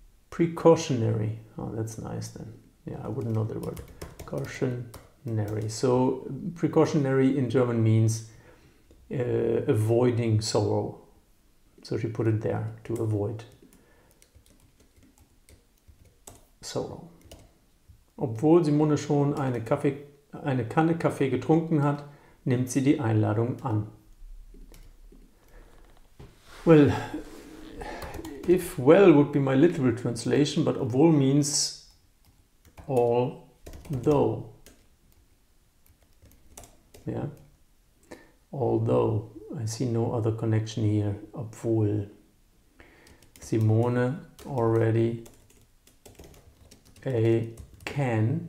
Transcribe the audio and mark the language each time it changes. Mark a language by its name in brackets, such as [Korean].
[English] Precautionary. Oh, that's nice then. Yeah, I wouldn't know the word. Cautionary. So precautionary in German means avoiding sorrow. So she put it there to avoid sorrow. [German] Obwohl Simone schon eine Kanne Kaffee getrunken hat, nimmt sie die Einladung an. [English] Well, if well would be my literal translation, but obwohl means although. Yeah. Although. I see no other connection here, obwohl Simone already a can.